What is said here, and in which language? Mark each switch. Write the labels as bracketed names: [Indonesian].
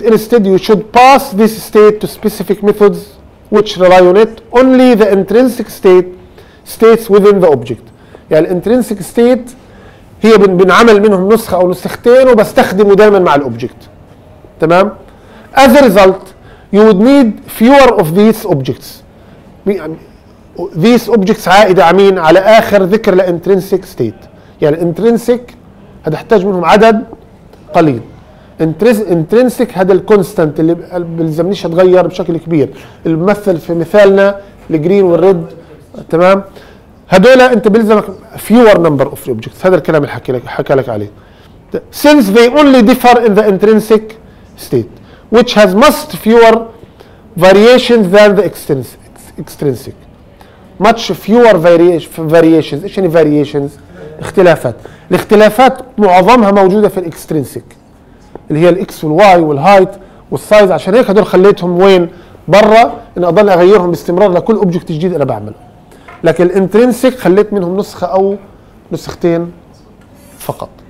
[English] Instead you should pass this state to specific methods which rely on it. Only the intrinsic state states within the object. [Arabic] يعني intrinsic state هي بنعمل منهم نسخة أو نسختين وبستخدمه دائما مع الأوبجكت. [English] تمام، as a result you would need fewer of these objects. These objects [Arabic] عائدة عمين على آخر ذكر intrinsic state. يعني intrinsic هذا احتاج منهم عدد قليل. intrinsic هذا الكونستانت اللي بلزمنيش هتغير بشكل كبير، اللي بمثل في مثالنا الجرين والريد. تمام، هذولا انت بلزمك [English] fewer number of objects. [Arabic] هذا الكلام اللي حكى لك عليه. [English] since they only differ in the intrinsic state which has must fewer variations than the extrinsic. much fewer variations. [Arabic] ايش يعني [English] variations؟ [Arabic] اختلافات. الاختلافات معظمها موجوده في الاكسترنسك اللي هي الاكس والواي والهايت والسايز. عشان هيك هدول خليتهم وين؟ برا، ان اضل اغيرهم باستمرار لكل اوبجكت جديد انا بعمله. لكن الانترنسك خليت منهم نسخه او نسختين فقط.